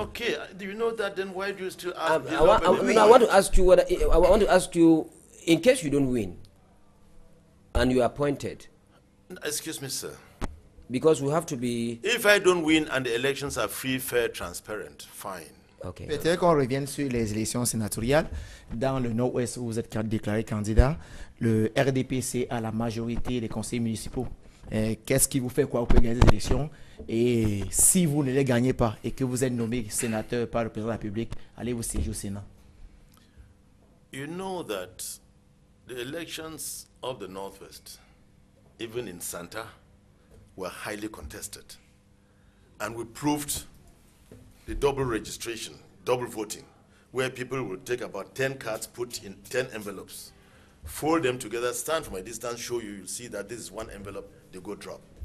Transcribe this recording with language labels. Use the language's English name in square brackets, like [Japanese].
[English] okay, do you know that? Then why do you still ask? I want to ask you, in case you don't win and you are appointed. Excuse me, sir. Because we have to be... If I don't win and the elections are free, fair, transparent, fine. Okay. [French] Peut-être qu'on revienne sur les élections sénatoriales. Dans le Nord-Ouest, où vous êtes déclaré candidat, le RDPC a la majorité des conseils municipaux. Et qu'est-ce qui vous fait quoi pour gagner les élections? Et si vous ne les gagnez pas et que vous êtes nommé sénateur par le président de la République, allez-vous siéger au Sénat? [English] You know that the elections of the Northwest, even in Santa, were highly contested. And we proved the double registration, double voting, where people would take about 10 cards, put in 10 envelopes, fold them together, stand from a distance, show you, you'll see that this is one envelope, they go drop.